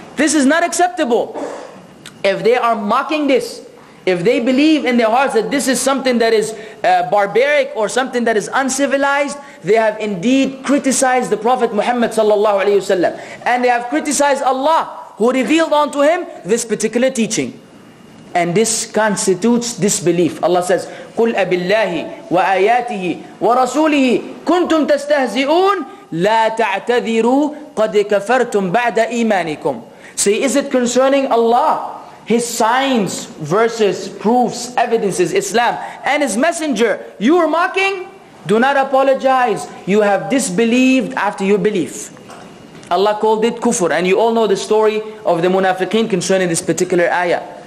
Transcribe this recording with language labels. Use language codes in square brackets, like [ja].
[en] This is not acceptable. If they are mocking this, if they believe in their hearts that this is something that is barbaric or something that is uncivilized, they have indeed criticized the Prophet Muhammad sallallahu alaihi wasallam, and they have criticized Allah who revealed unto him this particular teaching. And this constitutes disbelief. Allah says, [ar] قُلْ أَبِاللَّهِ وَآيَاتِهِ وَرَسُولِهِ كُنْتُمْ تَسْتَهْزِئُونَ لَا تَعْتَذِرُوا قَدْ كَفَرْتُمْ بَعْدَ إِيمَانِكُمْ. [en] Say, is it concerning Allah, His signs, verses, proofs, evidences, Islam, and His Messenger, you are mocking? Do not apologize. You have disbelieved after your belief. Allah called it kufr. And you all know the story of the munafiqeen concerning this particular ayah.